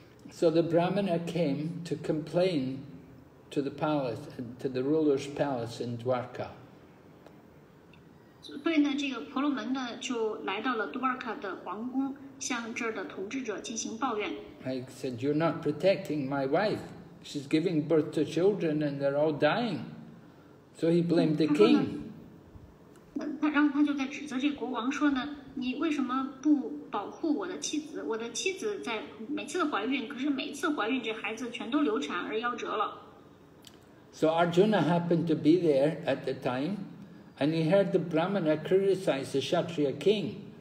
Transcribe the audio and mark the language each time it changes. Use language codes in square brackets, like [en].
[en] So the Brahmana came to complain to the palace, to the ruler's palace in Dwarka. [zh] 所以呢，这个婆罗门呢就来到了多尔卡的皇宫，向这儿的统治者进行抱怨。 [en] I said, "You're not protecting my wife. She's giving birth to children, and they're all dying." So he blamed the king. [zh] 然后他就在指责这国王说呢，你为什么不保护我的妻子？我的妻子在每次怀孕，可是每次怀孕这孩子全都流产而夭折了。 [en] So Arjuna happened to be there at the time, and he heard the Brahmana criticize the Kshatriya king.